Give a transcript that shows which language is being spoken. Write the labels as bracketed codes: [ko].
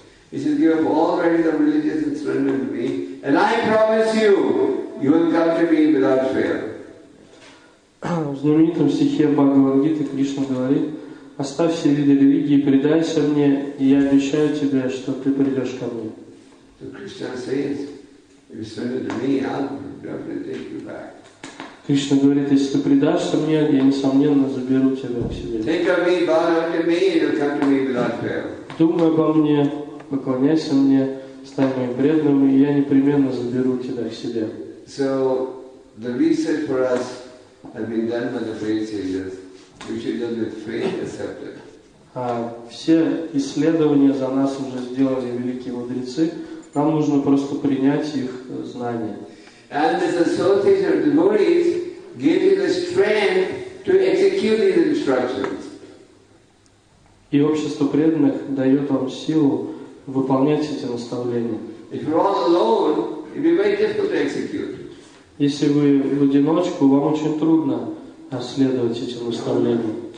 [en] He says, give up all rights of religious and surrender to me, and I promise you, you will come to me without fear. [ru] В знаменитом стихе Бхагавад-гиты Кришна говорит, оставь все виды религии, предайся мне, и я обещаю тебе, что ты придешь ко мне. [en] So Krishna says, if you surrender to me, I'll definitely take you back. [ru] Кришна говорит, если ты предашься мне, я несомненно заберу тебя к себе. [en] Think of me, bow down to me, and you'll come to me without fear. [ru] Думай обо мне, поклоняйся мне, стань моим преданным, и я непременно заберу тебя к себе. [en] So the research for us has been done by the great sages. We should just with faith accept it. [ru] Все исследования за нас уже сделали великие мудрецы. Нам нужно просто принять их знания. [en] And this association of devotees gives you the strength to execute these instructions. [ru] И общество преданных дает вам силу выполнять эти наставления. [en] If you're all alone, it'd be very difficult to execute. [ru] Если вы в одиночку, вам очень трудно следовать этим наставлениям.